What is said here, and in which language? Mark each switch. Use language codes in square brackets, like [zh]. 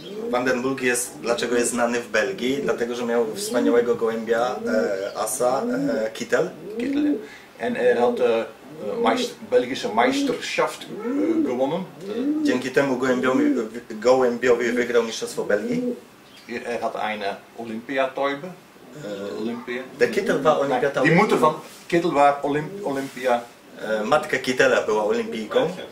[pl] Van den Bulk jest, dlaczego jest znany w Belgii? Dlatego, że miał wspaniałego gołębia asa, Kittel. Kittel. [de] En er hat belgische Meisterschaft gewonnen. [pl] Dzięki temu gołębiowi wygrał mistrzostwo Belgii. [de] Er hat eine Olympiatäube. Olympia. Der Kittel war Olympiatäube. Die Mutter von Kittel war Olympia. [pl] Matka Kittela była olimpijką.